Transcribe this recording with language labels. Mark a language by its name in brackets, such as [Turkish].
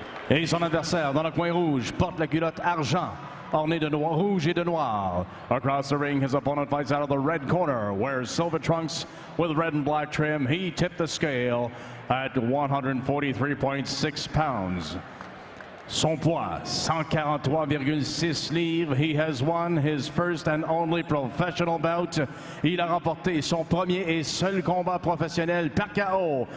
[French] Et son adversaire dans le coin rouge porte la culotte argent. Orné de noir, rouge et de noir. [English] Across the ring, his opponent fights out of the red corner, wears silver trunks with red and black trim. He tipped the scale at 143.6 pounds. [French] Son poids, 143,6 livres. [English] He has won his first and only professional bout. [French] Il a remporté son premier et seul combat professionnel par KO.